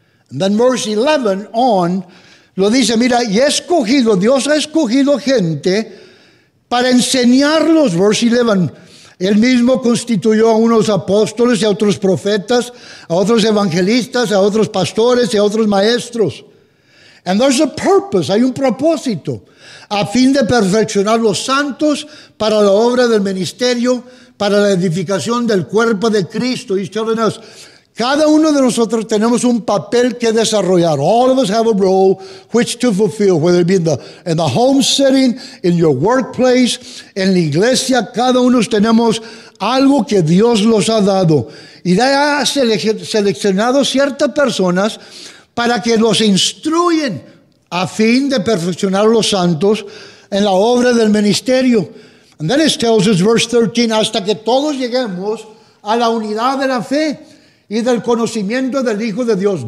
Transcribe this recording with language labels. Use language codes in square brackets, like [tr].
[en] And then verse 11 on, [es] lo dice, mira, y he escogido, Dios ha escogido gente para enseñarlos, [en] verse 11, [es] él mismo constituyó a unos apóstoles y a otros profetas, a otros evangelistas, a otros pastores y a otros maestros. [en] And there's a purpose, [es] hay un propósito, a fin de perfeccionar los santos para la obra del ministerio, para la edificación del cuerpo de Cristo. [en] He's telling us, [es] Cada uno de nosotros tenemos un papel que desarrollar. [en] All of us have a role which to fulfill, whether it be in the home setting, in your workplace, [es] en la iglesia. Cada uno tenemos algo que Dios nos ha dado. Y ya ha seleccionado ciertas personas para que los instruyen a fin de perfeccionar a los santos en la obra del ministerio. [en] And then it tells us, verse 13, [es] hasta que todos lleguemos a la unidad de la fe y del conocimiento del Hijo de Dios.